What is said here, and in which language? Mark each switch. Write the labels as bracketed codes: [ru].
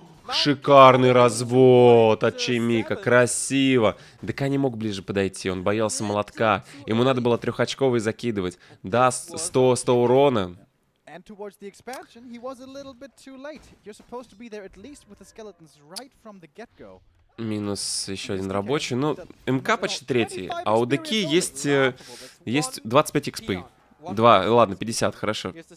[ru] Шикарный развод от Чимика, красиво. ДК не мог ближе подойти, он боялся молотка. Ему надо было трехочковый закидывать. Да, 100 урона. [en] And towards the expansion, he was a little bit too late. You're supposed to be there at least with the skeletons right from the get-go. [ru] Минус еще один рабочий. Ну, МК почти третий, а у ДК есть 25 экспы. Два, ладно, 50, хорошо.